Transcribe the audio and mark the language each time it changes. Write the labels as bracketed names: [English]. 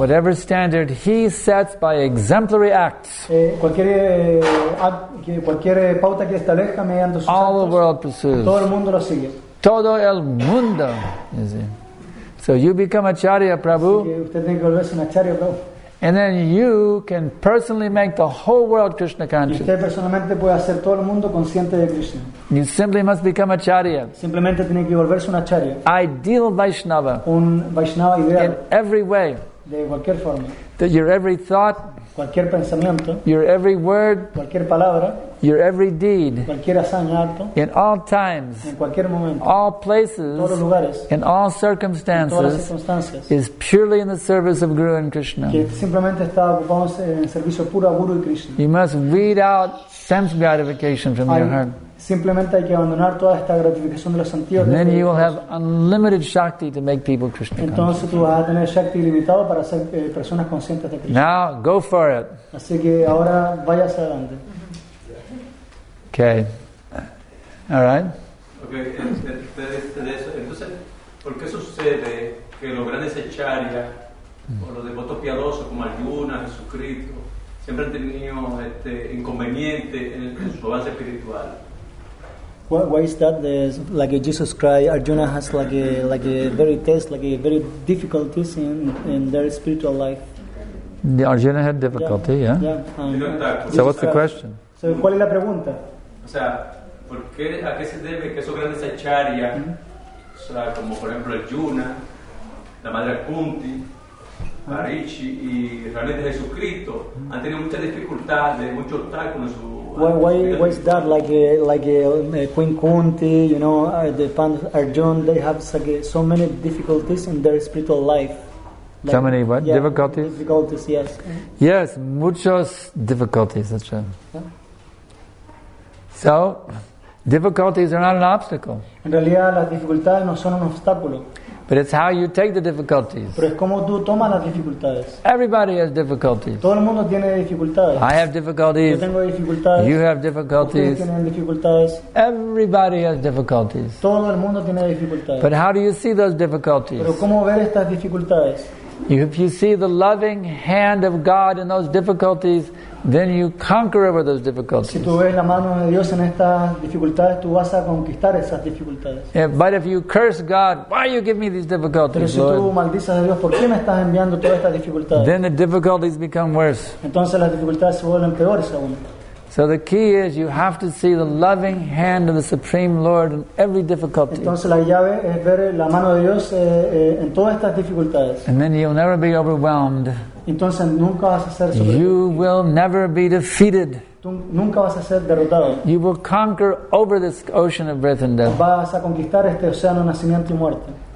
[English] Whatever standard he sets by exemplary acts, [Spanish] pauta que establezca mediante sus [English] all the world pursues. [Spanish] Todo el mundo lo sigue. Todo el mundo. [English] So you become Acharya Prabhu. [Spanish] Sí, usted tiene que volverse un Acharya Prabhu. [English] And then you can personally make the whole world Krishna conscious. [Spanish] Usted personalmente puede hacer todo el mundo consciente de Krishna. [English] You simply must become Acharya. [Spanish] Simplemente tiene que volverse un Acharya. [English] Ideal Vaishnava. [Spanish] Un Vaishnava ideal. [English] In every way. [Spanish] De cualquier forma. [English] That your every thought. [Spanish] Cualquier pensamiento. [English] Your every word. [Spanish] Cualquier palabra. [English] Your every deed. [Spanish] Cualquier hazaña. [English] In all times. [Spanish] En cualquier momento. [English] All places. [Spanish] Todos los lugares. [English] In all circumstances. [Spanish] En todas las circunstancias. [English] Is purely in the service of Guru and Krishna. [Spanish] Que simplemente está ocupado en servicio puro a Guru y Krishna. [English] You must weed out sense gratification from your heart. [Spanish] Simplemente hay que abandonar toda esta gratificación de los sentidos. [English] And then you will have unlimited shakti to make people Krishna conscious. [Spanish] Entonces tú vas a tener shakti ilimitado para hacer personas conscientes de Krishna. [English] Now go for it. [Spanish] Así que ahora vayas adelante. [English] Okay. All right. Okay. [Spanish] Entonces, ¿por qué sucede que los grandes acharyas o los devotos piadosos como Arjuna, Jesucristo, siempre han tenido inconveniente en su avance espiritual? [English] Why is that? Like Jesus Christ, Arjuna has very difficulties in their spiritual life. The Arjuna had difficulty, yeah. So what's the question? [Spanish] So ¿cuál es la pregunta? O sea, ¿por qué a qué se debe que esos grandes acharyas, o sea, como por ejemplo Arjuna, la madre Kunti, Parichi y realmente Jesucristo han tenido muchas dificultades, muchos obstáculos en su [English] Why is that? Queen Kunti, you know, the Pandas, Arjuna, they have so many difficulties in their spiritual life. So many what? Yeah, difficulties? Difficulties, yes. Yes, [Spanish] muchos [English] difficulties, that's true. So, difficulties are not an obstacle. [Spanish] En realidad, las dificultades no son un obstáculo. [English] But it's how you take the difficulties. [Spanish] Pero es como tú tomas las dificultades. [English] Everybody has difficulties. [Spanish] Todo el mundo tiene dificultades. [English] I have difficulties. [Spanish] Yo tengo dificultades. [English] You have difficulties. [Spanish] Ustedes tienen dificultades. [English] Everybody has difficulties. [Spanish] Todo el mundo tiene dificultades. [English] But how do you see those difficulties? [Spanish] Pero ¿cómo ver estas dificultades? [English] If you see the loving hand of God in those difficulties, then you conquer over those difficulties. [Spanish] Si tú ves la mano de Dios en estas dificultades, tú vas a conquistar esas dificultades. [English] But if you curse God, why you give me these difficulties, Lord? [Spanish] si tú maldices a Dios, ¿por qué me estás enviando todas estas dificultades? [English] Then the difficulties become worse. [Spanish] Entonces las dificultades se vuelven peores aún. [English] So the key is you have to see the loving hand of the Supreme Lord in every difficulty. [Spanish] Entonces la llave es ver la mano de Dios en todas estas dificultades. [English] And then you'll never be overwhelmed. [Spanish] Entonces nunca vas a ser sobrepasado. [English] You will never be defeated. [Spanish] Tú nunca vas a ser derrotado. [English] You will conquer over this ocean of birth and death. [Spanish] Vas a conquistar este océano de nacimiento y muerte.